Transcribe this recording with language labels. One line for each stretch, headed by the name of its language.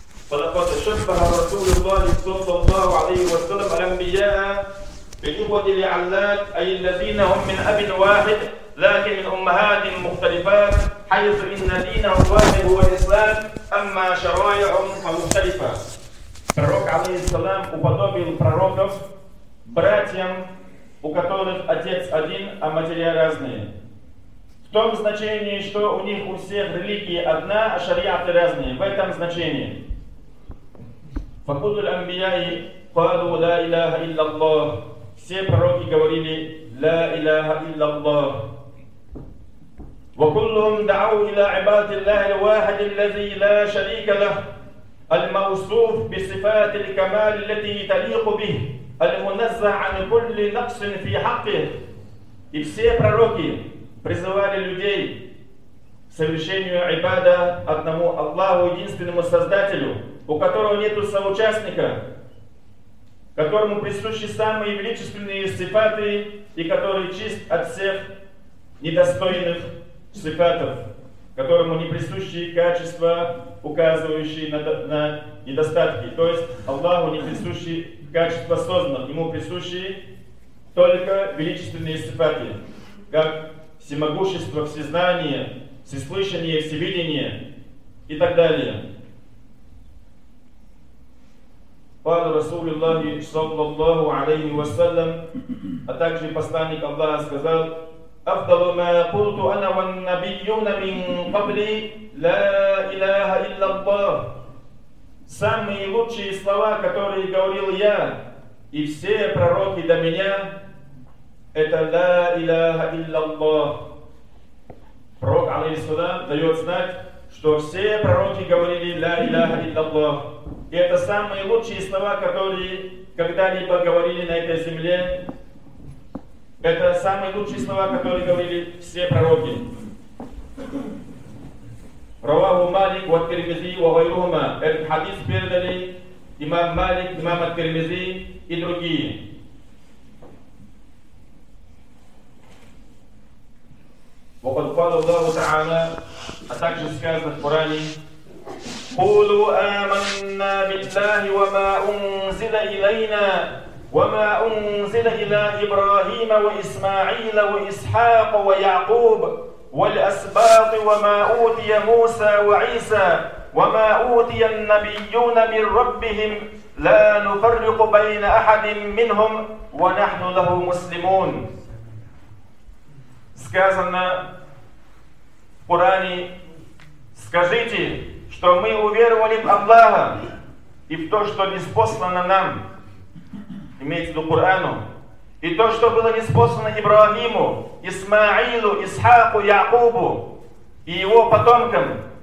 Arabic: فلقد شبه رسول الله صلى الله عليه وسلم الأنبياء بإخوة العلات، أي الذين هم من أب واحد لكن من أمهات مختلفات، حيث إن دينهم واحد هو الإسلام، أما شرائعهم فمختلفة.
Russian: Пророк алейхиссалам уподобил пророков братьям, у которых отец один, а матери разные. В том значении, что у них у всех религии одна, а шариаты разные. В этом значении.
Arabic: Факуду ламбияи каду ла илляха илляллах.
Russian: Все пророки говорили ла илляха илляллах.
Arabic: Вакуллум дау илля ибадиллахи лвахид иллази ла шарика лах. الموصوف بصفات الكمال التي تليق به المنزه عن كل نقص في حقه.
Russian: И все пророки призывали людей к совершению ибада одному Аллаху, единственному Создателю, у которого нету соучастника, которому присущи самые величественные сифаты и который чист от всех недостойных сифатов, которому не присущи качества, указывающие на недостатки. То есть Аллаху не присущи качества созданных, ему присущи только величественные сифаты, как всемогущество, всезнание, всеслышание, всевидение и так далее.
Arabic: Пал Расулиллахи саллаллаху алейхи вассалям,
Russian: а также посланник Аллаха сказал:
Arabic: أفضل ما قلت أنا والنبيون من قبلي لا إله إلا الله.
Russian: Самые лучшие слова, которые говорил я и все пророки до меня, это لا إله إلا الله. Пророк алейхиссалам дает знать, что все пророки говорили لا إله إلا الله. И это самые лучшие слова, которые когда-либо говорили на этой земле. Это самые лучшие слова, которые говорили все пророки.
Arabic: Раваху Малик ва Тирмизи ва гайрухума.
Russian: Этот хадис передали имам Малик, имам Тирмизи и другие.
Arabic: Ва кад кала Аллаху Тааля,
Russian: а также сказано в Коране:
Arabic: Кулу ааманна биллахи ва ма унзила илейна وَمَا أُنْزِلَ إِلَىٰ إِبْرَاهِيمَ وَإِسْمَاعِيلَ وَإِسْحَاقَ وَيَعْقُوبَ وَالْأَسْبَاطِ وَمَا أُوْتِيَ مُوسَى وَعِيسَى وَمَا أُوْتِيَ النَّبِيُّونَ مِنْ رَبِّهِمْ لَا نُفَرِّقُ بَيْنَ أَحَدٍ مِّنْهُمْ وَنَحْنُ لَهُ مُسْلِمُونَ.
Russian: Сказано в Коране: скажите, что мы уверовали в Аллаха и в то, что ниспослано нам, имеется в виду Корану, и то, что было ниспослано Ибрагиму, Исмаилу, Исхаку, Якубу и его потомкам,